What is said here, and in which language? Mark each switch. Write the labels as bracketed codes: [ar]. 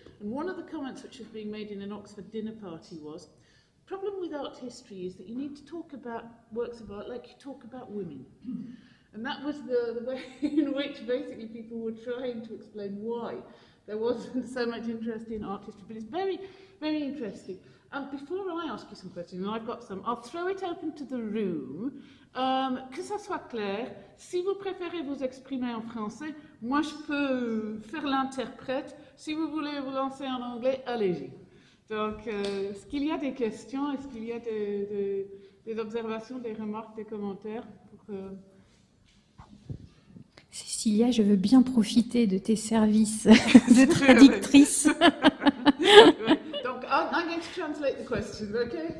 [en] And one of the comments which was being made in an Oxford dinner party was, the problem with art history is that you need to talk about works of art like you talk about women. And that was the way in which basically people were trying to explain why there wasn't so much interest in art history. But it's very, very interesting. Before I ask you some questions, and I've got some, I'll throw it open to the room. [fr] Que ça soit clair, si vous préférez vous exprimer en français, moi je peux faire l'interprète. Si vous voulez vous lancer en anglais, allez-y. Donc, est-ce qu'il y a des questions, est-ce qu'il y a des observations, des remarques, des commentaires pour, Cecilia, je veux bien profiter de tes services de traductrice. [en] Donc, I'm going to translate the questions, ok?